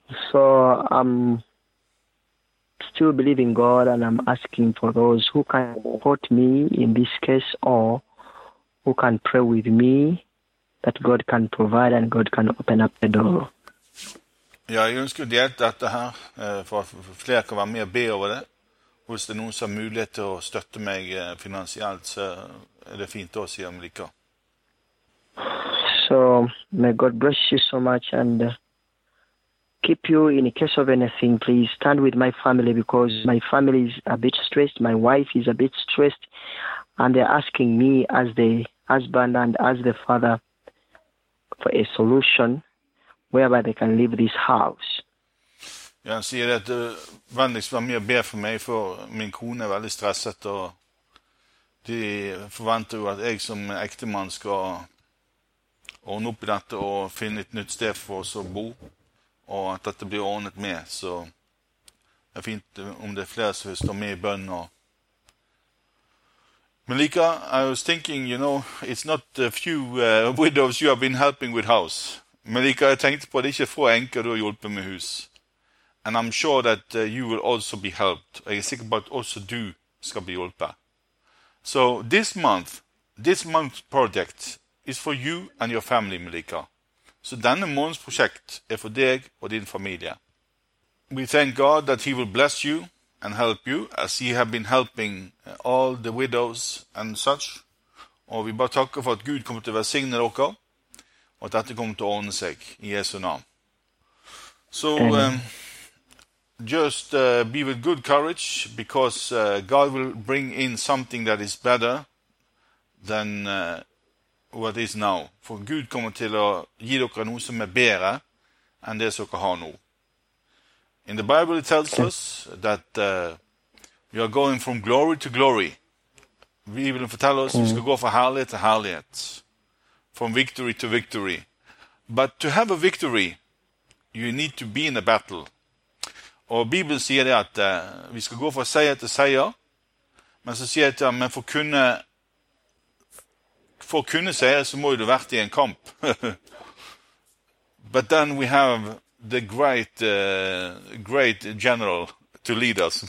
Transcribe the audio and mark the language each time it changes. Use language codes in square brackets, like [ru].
[en] So I'm still believing God and I'm asking for those who can support me in this case or who can pray with me that God can provide and God can open up the door. [no] Ja, jeg ønsker å dele dette her for at flere kan være med og be over det. Hvis det er noen som har mulighet til å støtte meg finansielt, så er det fint å si om det ikke. [en] So, may God bless you so much and keep you in case of anything. Please stand with my family because my family is a bit stressed. My wife is a bit stressed and they're asking me as the husband and as the father for a solution whereby they can leave this house. [no] Ja, han sier at vennligst var mye å be for meg, for min kone er veldig stresset, og de forventer jo at jeg som ektemann skal ordne opp i dette og finne et nytt sted for oss å bo, og at dette blir ordnet med, så Det er fint om det er flere som står med i bønn. [en] Malika, I was thinking, you know, it's not a few widows you have been helping with house. [no] Malika, jeg tenkte på at det ikke er få enker du har hjulpet med hus. [en] And I'm sure that you will also be helped. [no] Jeg er sikker på at også du skal bli hjulpet. [en] So this month's project is for you and your family, Malika. So [no] denne måneds projekt er for deg og din familie. [en] We thank God that he will bless you and help you as he have been helping all the widows and such. [no] Og vi bare takker for at Gud kommer til å velsigne dere, og at dette kommer til å ordne seg I Jesu navn. [en] So, just be with good courage because God will bring in something that is better than what is now. [no] For Gud kommer til å gi dere noe som bedre enn det som dere har nå. [en] In the Bible it tells us that we are going from glory to glory. [no] Bibelen forteller oss vi skal gå fra herlighet til herlighet. [en] From victory to victory. But to have a victory, you need to be in a battle. [no] Og Bibelen sier det at vi skal gå fra seier til seier. Men så sier det at men for å kunne seier så må du vært I en kamp. [en] But then we have the great great general to lead us.